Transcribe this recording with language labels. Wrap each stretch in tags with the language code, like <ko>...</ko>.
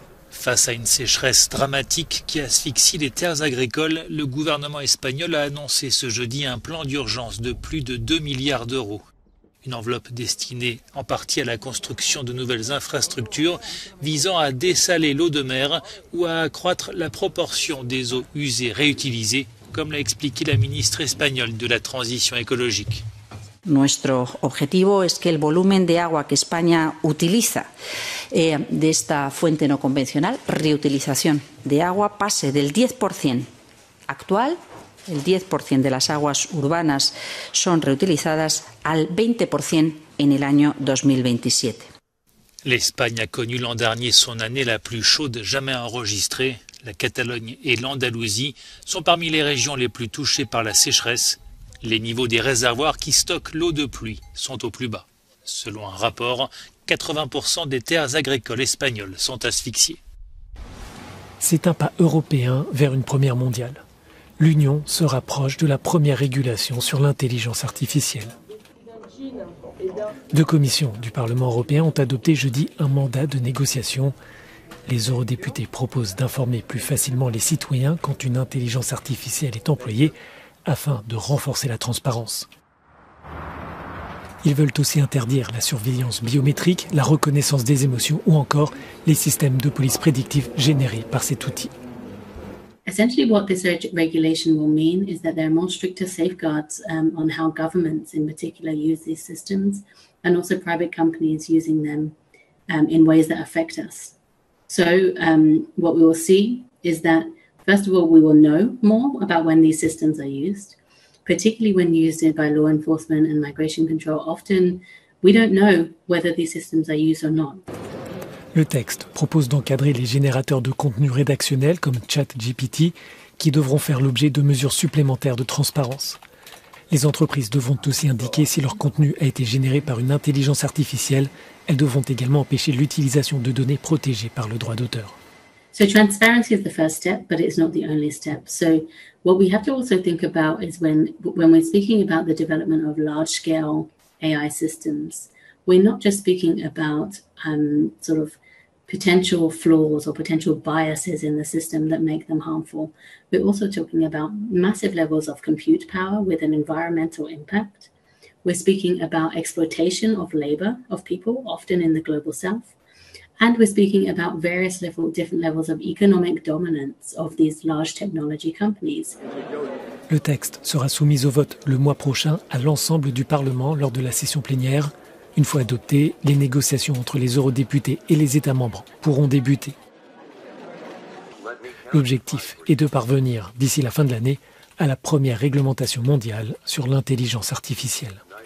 <fr>Face à une sécheresse dramatique qui asphyxie les terres agricoles, le gouvernement espagnol a annoncé ce jeudi un plan d'urgence de plus de 2 milliards d'euros. Une enveloppe destinée en partie à la construction de nouvelles infrastructures visant à dessaler l'eau de mer ou à accroître la proportion des eaux usées réutilisées, comme l'a expliqué la ministre espagnole de la Transition écologique.</fr> <es>Nuestro objetivo es que el volumen de agua que España utiliza de esta fuente no convencional, reutilización de agua, pase del 10% actual, el 10% de las aguas urbanas son reutilizadas, al 20% en el año 2027.</es> <fr>L'Espagne a connu l'an dernier son année la plus chaude jamais enregistrée. La Catalogne et l'Andalousie sont parmi les régions les plus touchées par la sécheresse. Les niveaux des réservoirs qui stockent l'eau de pluie sont au plus bas. Selon un rapport, 80% des terres agricoles espagnoles sont asphyxiées. C'est un pas européen vers une première mondiale. L'Union se rapproche de la première régulation sur l'intelligence artificielle. Deux commissions du Parlement européen ont adopté jeudi un mandat de négociation. Les eurodéputés proposent d'informer plus facilement les citoyens quand une intelligence artificielle est employée, afin de renforcer la transparence. Ils veulent aussi interdire la surveillance biométrique, la reconnaissance des émotions ou encore les systèmes de police prédictive générés par cet outil.</fr> <en>Essentially, what this regulation will mean is that there are more stricter safeguards on how governments, in particular, use these systems, and also private companies using them in ways that affect us. So, what we will see is that first of all, we will know more about when these systems are used. particularly when used by law enforcement and migration control, often we don't know whether these systems are used or not.</en> <fr>Le texte propose d'encadrer les générateurs de contenu rédactionnel comme ChatGPT, qui devront faire l'objet de mesures supplémentaires de transparence. Les entreprises devront aussi indiquer si leur contenu a été généré par une intelligence artificielle. Elles devront également empêcher l'utilisation de données protégées par le droit d'auteur.</fr> <en>So transparency is the first step, but it's not the only step. So what we have to also think about is when we're speaking about the development of large-scale AI systems, we're not just speaking about sort of potential flaws or potential biases in the system that make them harmful. We're also talking about massive levels of compute power with an environmental impact. We're speaking about exploitation of labor of people, often in the global south. And we're speaking about various different levels of economic dominance of these large technology companies.</en> <fr>Le texte sera soumis au vote le mois prochain à l'ensemble du Parlement lors de la session plénière. Une fois adopté, les négociations entre les eurodéputés et les États membres pourront débuter. L'objectif est de parvenir, d'ici la fin de l'année, à la première réglementation mondiale sur l'intelligence artificielle.</fr>